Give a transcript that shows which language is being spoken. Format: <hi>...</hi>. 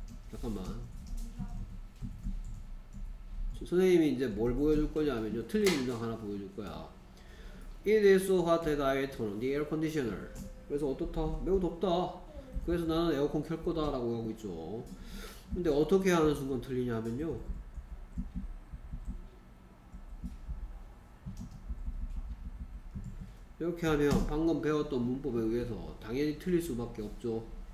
<ko>잠깐만 선생님이 이제 뭘 보여줄 거냐면요 틀린 문장 하나 보여줄 거야.</ko> <en>It is so hot that I turn on the air conditioner.</en> <ko>그래서 어떻다? 매우 덥다. 그래서 나는 에어컨 켤 거다 라고 하고 있죠. 근데 어떻게 하는 순간 틀리냐면요 이렇게 하면 방금 배웠던 문법에 의해서 당연히 틀릴 수밖에 없죠.</ko>